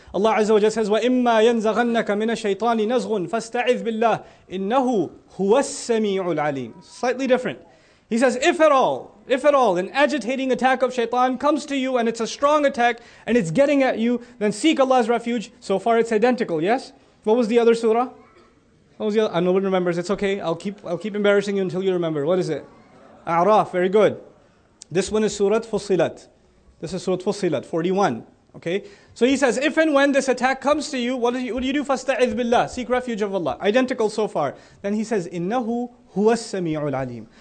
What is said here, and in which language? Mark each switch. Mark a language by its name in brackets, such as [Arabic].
[English] Allah Azza wa Jalla says, [Arabic] وَإِمَّا يَنْزَغَنَّكَ مِنَ الشَّيْطَانِ نَزْغٌ فَاسْتَعِذْ بِاللَّهِ إِنَّهُ هُوَ السَّمِيعُ الْعَلِيمُ. [English] Slightly different. He says, if at all, an agitating attack of shaitan comes to you and it's a strong attack and it's getting at you, then seek Allah's refuge. So far it's identical, yes? What was the other surah? No one remembers, it's okay. I'll keep embarrassing you until you remember. What is it? A'raf, very good. This one is Surah Fussilat. This is Surah Fussilat, 41. Okay, so he says, if and when this attack comes to you, what do you do? [Arabic] فَاسْتَعِذْ بِاللَّهِ, [English] seek refuge of Allah. Identical so far. Then he says, [Arabic] إِنَّهُ هُوَ السَّمِيعُ الْعَلِيمُ.